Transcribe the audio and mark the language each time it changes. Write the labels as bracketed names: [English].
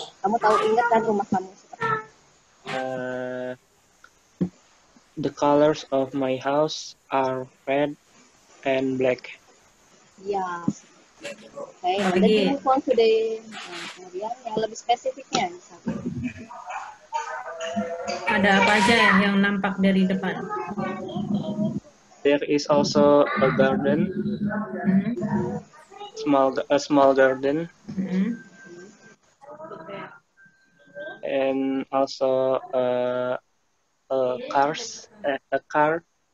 [Indonesian] Kamu tahu, ingat kan rumah kamu seperti apa? [English] The colors of my house are red and black. Yes. Okay, and then you move on to the, [Indonesian] kemudian yang lebih spesifiknya, misalkan. Ada apa aja yang nampak dari depan? [English] There is also a garden, small garden, and also a car.